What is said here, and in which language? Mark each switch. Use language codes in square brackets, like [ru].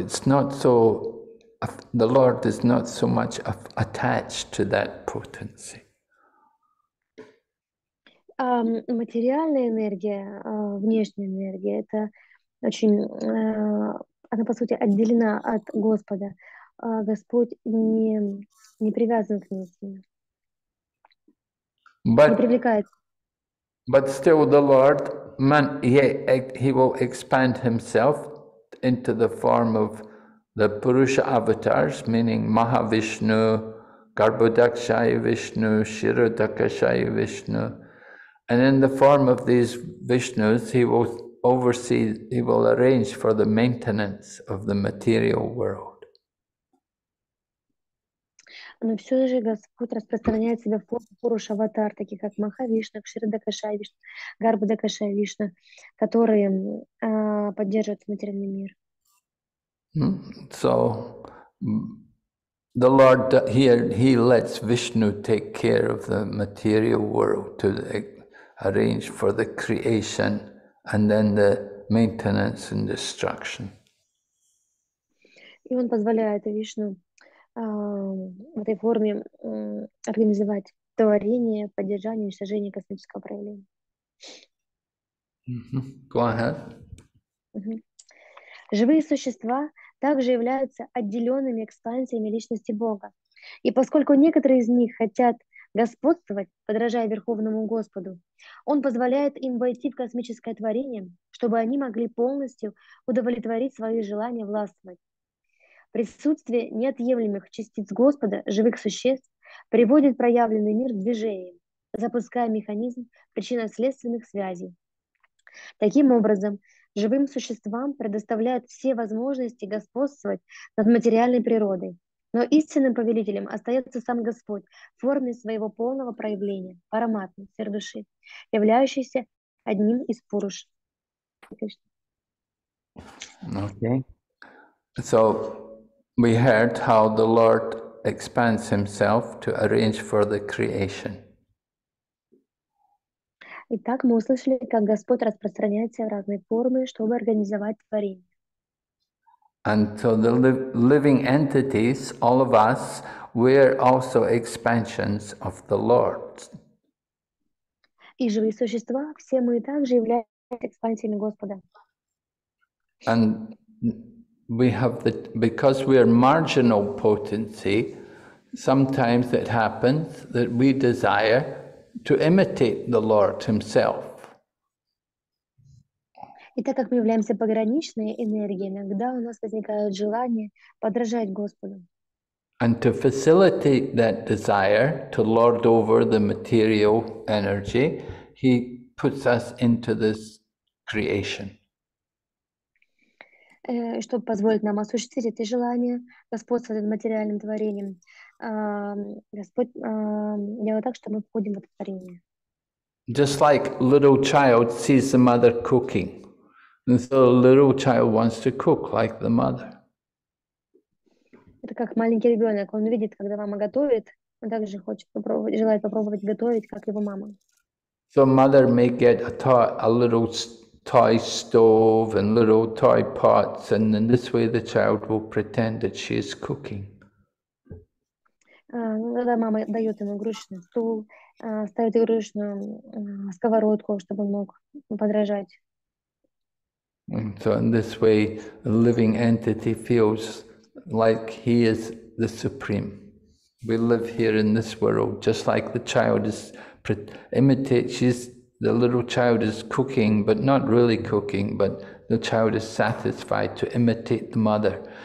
[en] It's not so, the Lord is not so much attached to that potency. [ru] Материальная энергия, внешняя энергия, это очень, она по сути отделена от Господа. Господь не привязан к ней. [en] But, [ru] не привлекает. [en] But still the Lord, man, he will expand himself into the form of the Purusha avatars, meaning Mahavishnu, Garbhodakshaya Vishnu, Shirodakshaya Vishnu. And in the form of these Vishnus, he will oversee, he will arrange for the maintenance of the material world. [ru] Но все же Господь распространяет себя в форму Пуруш-аватар, таких как Махавишна, Кширадакашая Вишна, Гарбхадакашая Вишна, которые поддерживают материальный мир. [en] So the Lord here, he lets Vishnu take care of the material world to arrange for the creation and then the maintenance and destruction. [ru] И он позволяет Вишну в этой форме организовать творение, поддержание, уничтожение космического проявления. [en] Go ahead. [ru] Живые существа также являются отделенными экспансиями личности Бога. И поскольку некоторые из них хотят господствовать, подражая Верховному Господу, он позволяет им войти в космическое творение, чтобы они могли полностью удовлетворить свои желания властвовать. Присутствие неотъемлемых частиц Господа, живых существ, приводит проявленный мир в движение, запуская механизм причинно-следственных связей. Таким образом, живым существам предоставляют все возможности господствовать над материальной природой. Но истинным повелителем остается сам Господь в форме своего полного проявления, параматмы, сердуши, являющийся одним из пуруш. [en] Okay. So we heard how the Lord expands himself to arrange for the creation. [ru] Итак, мы услышали, как Господь распространяется в разные формы, чтобы организовать творение. [en] And so the living entities, all of us, we are also expansions of the Lord. [ru] И живые существа, все мы также являемся экспансиями Господа. [en] And we have the, because we are marginal potency, sometimes it happens that we desire to imitate the Lord himself. [ru] И так как мы являемся пограничной энергией, иногда у нас возникает желание подражать Господу. [en] And to facilitate that desire to lord over the material energy, he puts us into this creation. [ru] Чтобы позволить нам осуществить это желание господствовать над материальным творением, Господь делает так, что мы входим в это творение. [en] Just like little child sees the mother cooking, and so a little child wants to cook like the mother. [ru] Это как маленький ребенок, он видит, когда мама готовит, он также хочет попробовать, желает попробовать готовить, как его мама. [en] So mother may get a little toy stove and little toy pots, and in this way the child will pretend that she is cooking. [ru] Когда мама дает ему игрушечный стул, ставит игрушечную сковородку, чтобы он мог подражать. [en] And so in this way the living entity feels like he is the supreme. We live here in this world just like the child is the little child is cooking, but not really cooking, but the child is satisfied to imitate the mother.